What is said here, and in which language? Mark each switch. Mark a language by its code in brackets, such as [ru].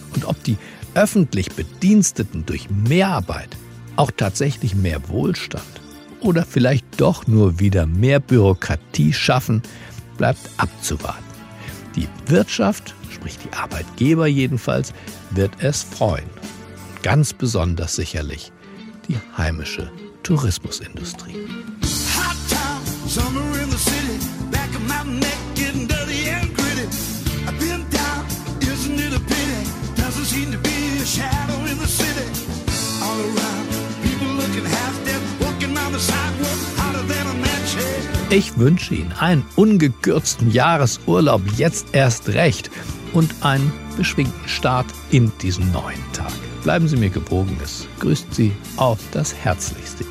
[de] Und ob die öffentlich Bediensteten durch mehr Arbeit auch tatsächlich mehr Wohlstand oder vielleicht doch nur wieder mehr Bürokratie schaffen, bleibt abzuwarten. Die Wirtschaft, sprich die Arbeitgeber jedenfalls, wird es freuen. Ganz besonders sicherlich die heimische Tourismusindustrie. [en] Hot time, summer in the city, back of my neck getting dirty and gritty. I've been down, isn't it a pity? Doesn't seem to be a shadow in the city. All around, people looking half dead, walking on the sidewalk, hotter than a match. [de] Ich wünsche Ihnen einen ungekürzten Jahresurlaub jetzt erst recht und einen beschwingten Start in diesen neuen Tag. Bleiben Sie mir gewogen, es grüßt Sie auf das Herzlichste.